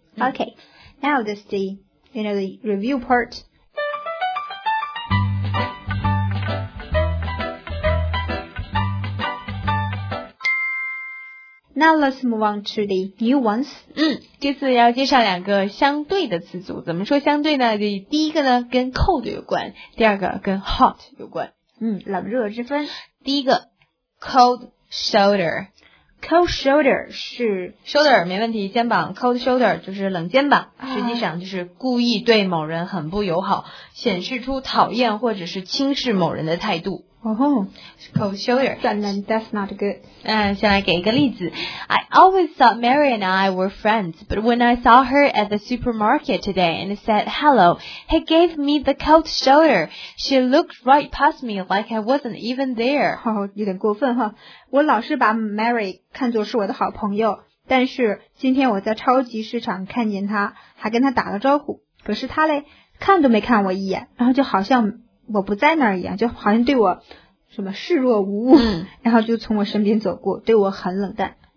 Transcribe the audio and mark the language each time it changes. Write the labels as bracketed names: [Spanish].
[English] OK, now this is the, you know, the review part. Now let's move on to the new ones. [Chinese] 这次要介绍两个相对的词组。怎么说相对呢？第一个呢跟 cold 有关，第二个跟 hot 有关。冷热之分。第一个 cold shoulder。 Cold shoulder 是 shoulder 没问题，肩膀 cold shoulder 就是冷肩膀，实际上就是故意对某人很不友好，显示出讨厌或者是轻视某人的态度。 [English] Cold shoulder. That's not good. [Chinese] 先来给一个例子。 [English] I always thought Mary and I were friends, but when I saw her at the supermarket today and said hello, he gave me the cold shoulder. She looked right past me like I wasn't even there. [Chinese] 有点过分哈。我老是把 Mary 看作是我的好朋友，但是今天我在超级市场看见她，还跟她打了招呼，可是她嘞，看都没看我一眼，然后就好像我不在那儿一样，就好像对我什么视若无物，然后就从我身边走过，对我很冷淡，